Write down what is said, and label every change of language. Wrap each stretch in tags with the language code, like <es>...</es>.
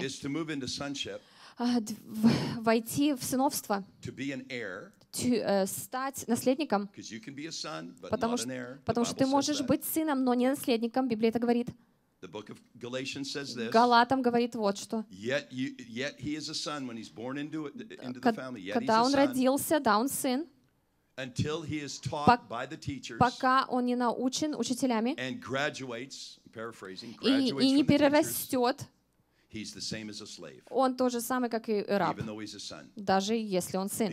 <en>is to move into sonship,</en> <ru>войти в сыновство,</ru> <en>to be an heir,</en> <ru>стать наследником, потому что ты можешь быть сыном, но не наследником, Библия это говорит.</ru> <en>The book of Galatians says this.</en> <ru>Галатам говорит вот что.</ru> <en>Yet he is a son when he's born into the family. Yet</en> <ru>когда он родился, да, он сын.</ru> <en>Until he is taught by the teachers.</en> <ru>Пока он не научен учителями.</ru> <en>And graduates, paraphrasing,</en> <ru>и не перерастет.</ru> <en>He's the same as a slave.</en> <ru>Он тот же самый, как и раб.</ru> <en>Even though he's a son.</en> <ru>Даже если он сын.</ru>